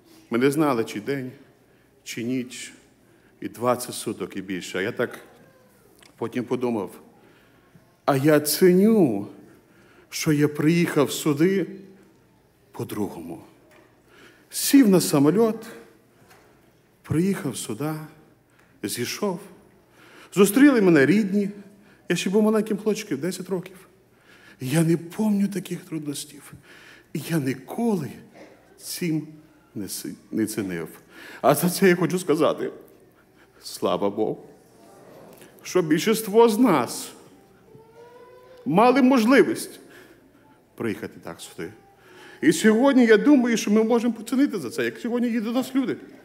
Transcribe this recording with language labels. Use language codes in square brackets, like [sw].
[uk] Ми не знали, чи день, чи ніч. І 20 суток, і більше. А я так потім подумав, а я ціню, що я приїхав сюди по-другому. Сів на самоліт, приїхав сюди, зійшов. Зустріли мене рідні. Я ще був маленьким хлопчиком, 10 років. [ru] Я не помню таких трудностей. [uk] І я ніколи цим не цінив. А за це я хочу сказати, слава Богу, що більшість з нас мали можливість приїхати так сюди. І сьогодні я думаю, що ми можемо поцінити за це, як сьогодні їдуть до нас люди.